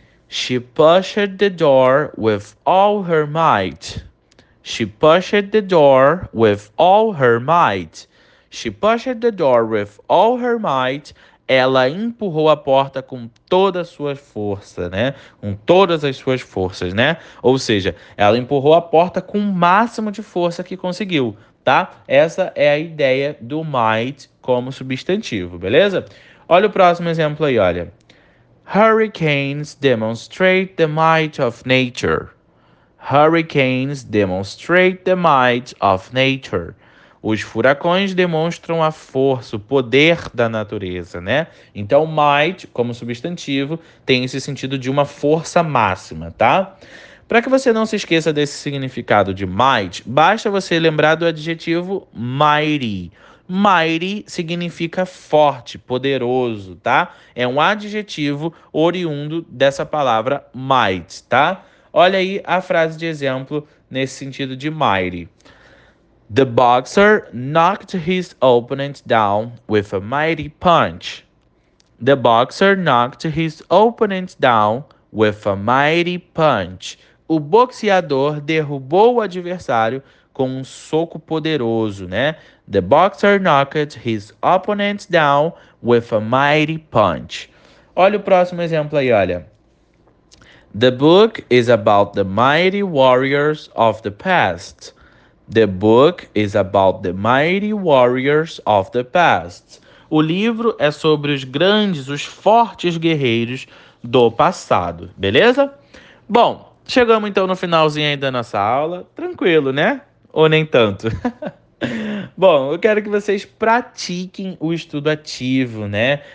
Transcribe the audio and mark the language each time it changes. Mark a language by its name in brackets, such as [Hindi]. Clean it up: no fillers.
[English] She pushed the door with all her might. She pushed the door with all her might. She pushed the door with all her might. [Portuguese] Ela empurrou a porta com toda a sua força, né? Com todas as suas forças, né? Ou seja, ela empurrou a porta com o máximo de força que conseguiu, tá? Essa é a ideia do might como substantivo, beleza? Olha o próximo exemplo aí, olha. [English] Hurricanes demonstrate the might of nature. Hurricanes demonstrate the might of nature. [Portuguese] Os furacões demonstram a força, o poder da natureza, né? Então, might, como substantivo, tem esse sentido de uma força máxima, tá? Para que você não se esqueça desse significado de might, basta você lembrar do adjetivo mighty. Mighty significa forte, poderoso, tá? É um adjetivo oriundo dessa palavra might, tá? Olha aí a frase de exemplo nesse sentido de mighty. [English] The boxer knocked his opponent down with a mighty punch. The boxer knocked his opponent down with a mighty punch. [Portuguese] O boxeador derrubou o adversário com um soco poderoso, né? [English] The boxer knocked his opponent down with a mighty punch. [Portuguese] Olha o próximo exemplo aí, olha. [English] The book is about the mighty warriors of the past. The book is about the mighty warriors of the past. [Portuguese] O livro é sobre os grandes, os fortes guerreiros do passado, beleza? Bom, chegamos então no finalzinho aí da nossa aula. Tranquilo, né? Ou nem tanto? Bom, eu quero que vocês pratiquem o estudo ativo, né?